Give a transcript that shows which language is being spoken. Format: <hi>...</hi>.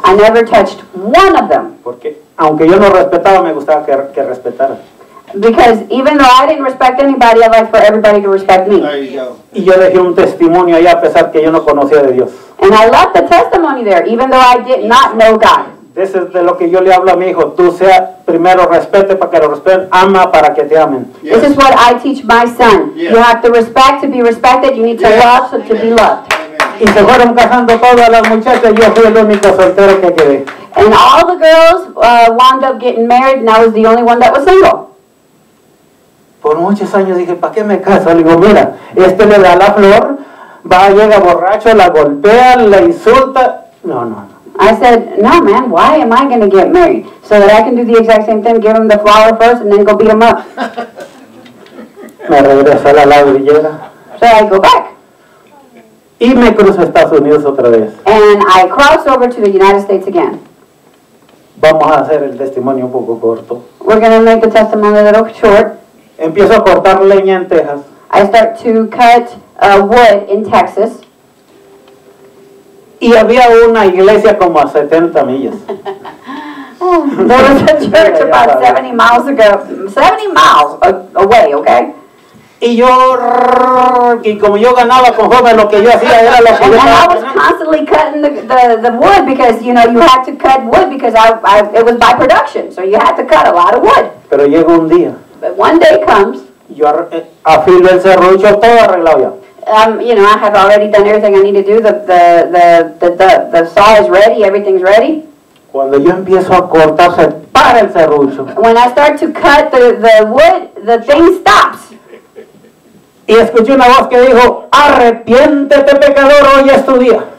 <en>I never touched one of them.</en> <es>Porque aunque yo no respetaba, me gustaba que respetaran.</es> <en>Because even though I didn't respect anybody, I'd like for everybody to respect me.</en> <es>Y yo dejé un testimonio allá a pesar que yo no conocía de Dios.</es> <en>And I left the testimony there, even though I did not know God. This is</en> <es>de lo que yo le hablo a mi hijo. Tú sea primero respete para que lo respeten, ama para que te amen.</es> <en>Yes. This is what I teach my son. Yes. You have to respect to be respected. You need to, yes, love to, amen, be loved. Amen.</en> <es>Y se fueron casando todas las muchachas. Yo fui el único soltero que quedé.</es> <en>And all the girls wound up getting married, and I was the only one that was single.</en> <es>Por muchos años dije, ¿para qué me caso? Le digo, mira, este le da la flor, va, llega borracho, la golpea, la insulta. No, no, no.</es> <en>I said, no, man, why am I going to get married? So that I can do the exact same thing, give him the flower first and then go beat him up.</en> <es>Me regreso a la ladrillera.</es> <en>So I go back.</en> <es>Y me cruzo a Estados Unidos otra vez.</es> <en>And I cross over to the United States again.</en> <es>Vamos a hacer el testimonio un poco corto.</es> <en>We're going to make the testimony a little short.</en> <es>Empiezo a cortar leña en Texas.</es> <en>I start to cut wood in Texas.</en> <es>Y había una iglesia como a 70 millas.</es> <en>There was a church about 70 miles ago. 70 miles away, okay?</en> <es>Y yo, y como yo ganaba con joven, lo que yo hacía era lo que</es> <en>and</en> <es>yo</es> <en>and I was constantly cutting the wood because, you know, you had to cut wood because I it was by production. So you had to cut a lot of wood.</en> <es>Pero llegó un día.</es> <en>But one day comes.</en> <es>Yo afilo el serrucho, todo arreglado ya.</es> <en>You know, I have already done everything I need to do. The saw is ready. Everything's ready.</en> <es>Cuando yo empiezo a cortar, se para el serrucho.</es> <en>When I start to cut the wood, the thing stops.</en> <es>Y escuché una voz que dijo, arrepiéntete, pecador, hoy es tu día.</es>